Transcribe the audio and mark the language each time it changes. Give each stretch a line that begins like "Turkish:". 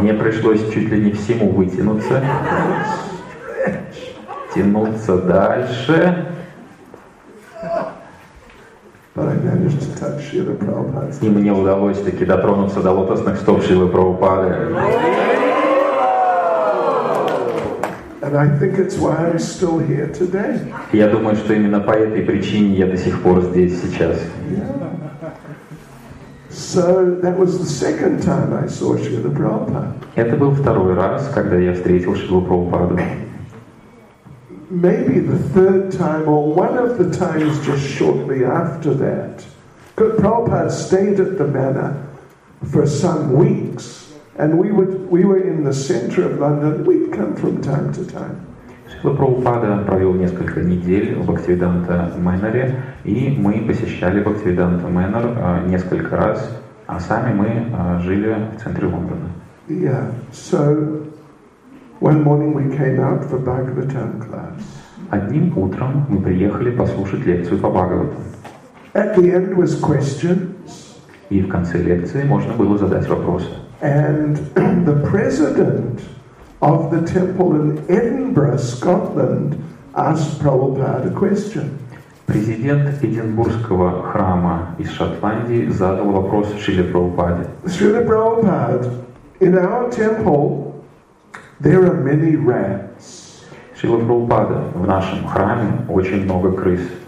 Russian: Мне пришлось чуть ли не всему вытянуться.
English: Stretch.
Russian: Тянуться дальше.
English: But I managed to touch Srila Prabhupada's feet.
Russian: И мне удалось таки дотронуться до лотосных стоп Шрилы Прабхупады.
English: And I think it's why I'm still here today.
Russian: Я думаю, что именно по этой причине я до сих пор здесь сейчас.
English: So that was the second time I saw Srila Prabhupada.
Russian: Это был второй раз, когда я встретил Шрилу Прабхупаду.
English: Maybe the third time or one of the times just shortly after that. But Prabhupada stayed at the manor for some weeks. And we were in the center of London. We'd come from time to time.
Russian: Шрила Прабхупада провел несколько недель в Бхактивиданта Мэноре, и мы посещали Бхактивиданта Мэнор несколько раз, а сами мы жили в центре Лондона.
English: Yeah. So one morning we came out for Bhagavatam class.
Russian: Одним утром мы приехали послушать лекцию по Бхагаватам.
English: At the end was questions.
Russian: И в конце лекции можно было задать вопросы.
English: And the president of the temple in Edinburgh, Scotland, asked Prabhupada a question.
Russian: Президент Эдинбургского храма из Шотландии задал вопрос Шриле Прабхупаде.
English: Шриле Прабхупад, in our temple there are many rats.
Russian: Шрила Прабхупада, в нашем храме очень много крыс.